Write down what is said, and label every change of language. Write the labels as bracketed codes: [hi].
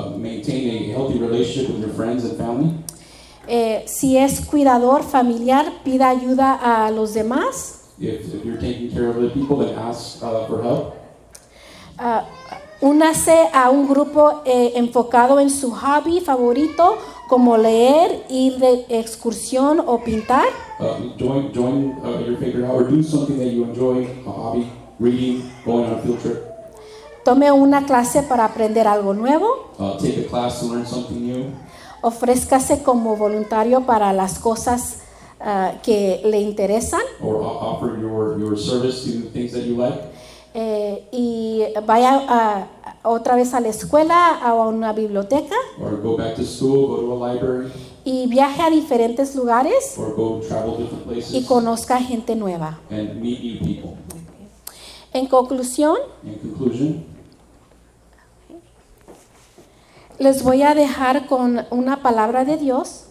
[en] Maintain a healthy relationship with your friends and family. [es] Si es cuidador familiar, pida ayuda a los demás. [en] If you're taking care of other people, then ask for help. [es] Únase a un grupo enfocado en su hobby favorito, como leer, ir de excursión o pintar. [en] Join your favorite hobby, or do something that you enjoy, a hobby, reading, going on a field trip. [es] Tome una clase para aprender algo nuevo. [en] Take a class to learn something new. [es] Ofrézcase como voluntario para las cosas que le interesan. [en] Or offer your service to things that you like. [es] Y vaya otra vez a la escuela o a una biblioteca. [en] Or go back to school, go to a library. [es] Y viaje a diferentes lugares. [en] Or go travel different places. [es] Y conozca gente nueva. [en] And meet new people. Okay. [es] En conclusión. [en] In conclusion. [es] Les voy a dejar con una palabra de Dios.